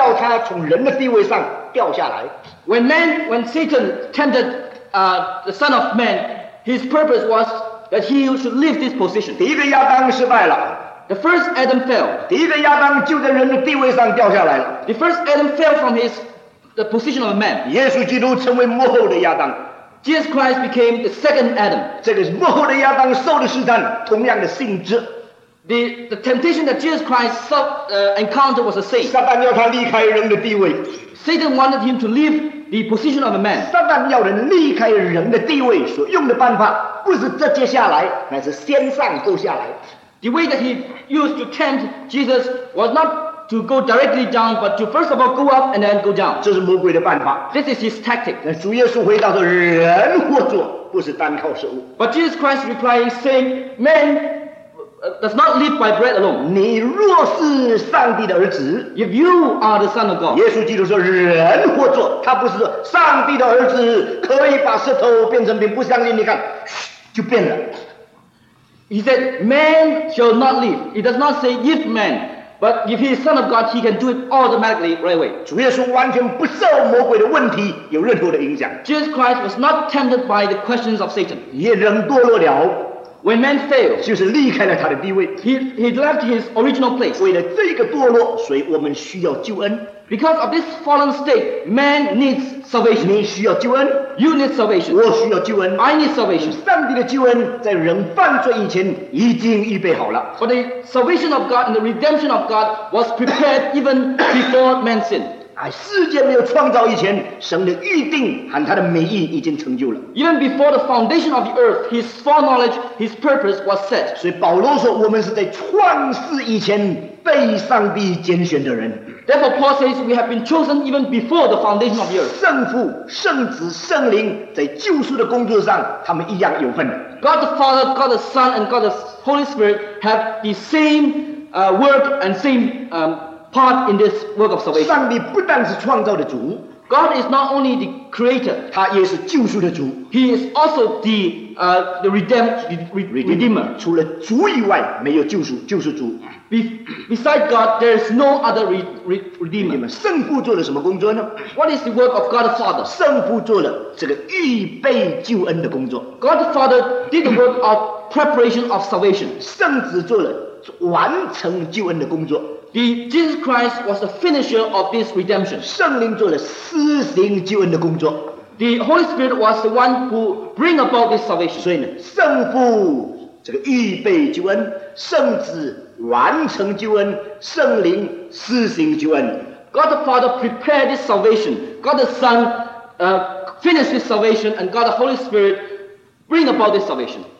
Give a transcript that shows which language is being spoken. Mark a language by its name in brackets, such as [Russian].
[Chinese] 魔鬼试探耶稣整个目的就是要他从人的地位上掉下来. [English] When Satan tempted the Son of Man, his purpose was that he should leave this position. [Chinese] 第一个亚当失败了. [English] The first Adam fell. [Chinese] 第一个亚当就在人的地位上掉下来了. [English] The first Adam fell from the position of a man. [Chinese] 耶稣基督成为幕后的亚当. [English] Jesus Christ became the second Adam. [Chinese] 这个幕后的亚当受的试探, 同样的性质. [English] The temptation that Jesus Christ encountered was the same. [Chinese] 撒旦要他离开人的地位. [English] Satan wanted him to leave the position of a man. [Chinese] 撒旦要人离开人的地位所用的办法, 不是这接下来, 乃是先上后下来。 [English] The way that he used to tempt Jesus was not to go directly down, but to first of all go up and then go down. [Chinese] 这是魔鬼的办法。 [English] This is his tactic. [Chinese] 那主耶稣回答说，人活着不是单靠食物。 [English] But Jesus Christ replying saying, man does not live by bread alone. [Chinese] 你若是上帝的儿子 [English] ，If you are the son of God， [Chinese] 耶稣基督说人活着，他不是说上帝的儿子可以把石头变成饼，不相信你看，就变了。 [English] He said, man shall not live. He does not say if man, but if he is son of God, he can do it automatically right away. [Chinese] 主耶稣完全不受魔鬼的问题有任何的影响。 [English] Jesus Christ was not tempted by the questions of Satan. [Chinese] 也人堕落了。 [English] When man failed, [Chinese] 就是离开了他的地位。 [English] He left his original place. [Chinese] 为了这个堕落，所以我们需要救恩。 [English] Because of this fallen state, man needs salvation. [Chinese] 你需要救恩。 [English] You need salvation. [Chinese] 我需要救恩。 [English] I need salvation. [Chinese] 上帝的救恩在人犯罪以前已经预备好了。 [English] For the salvation of God and the redemption of God was prepared even before man sinned. [Chinese] 世界没有创造以前，神的预定和他的美意已经成就了。 [English] Even before the foundation of the earth, his foreknowledge, his purpose was set. [Chinese] 所以保罗说，我们是在创世以前被上帝拣选的人。 [English] Therefore, Paul says we have been chosen even before the foundation of the earth. [Chinese] 圣父、圣子、圣灵在救赎的工作上，他们一样有份。 [English] God the Father, God the Son, and God the Holy Spirit have the same work and same part in this work of salvation. [Chinese] 上帝不但是创造的主 [English] ，God is not only the Creator. [Chinese] 他也是救赎的主 [English] ，He is also the Redeemer. [Chinese] 除了主以外，没有救赎，就是主。 [English] Beside God, there is no other redeemer. [Chinese] 圣父做了什么工作呢 [English] ？What is the work of God the Father? [Chinese] 圣父做了这个预备救恩的工作。 [English] God the Father did the work of preparation of salvation. [Chinese] 圣子做了完成救恩的工作。 [English] Jesus Christ was the finisher of this redemption. [Chinese] 圣灵做了施行救恩的工作。 [English] The Holy Spirit was the one who bring about this salvation. [Chinese] 所以呢，圣父这个预备救恩，圣子完成救恩，圣灵施行救恩。 [English] God the Father prepared this salvation. God the Son finished this salvation, and God the Holy Spirit bring about this salvation.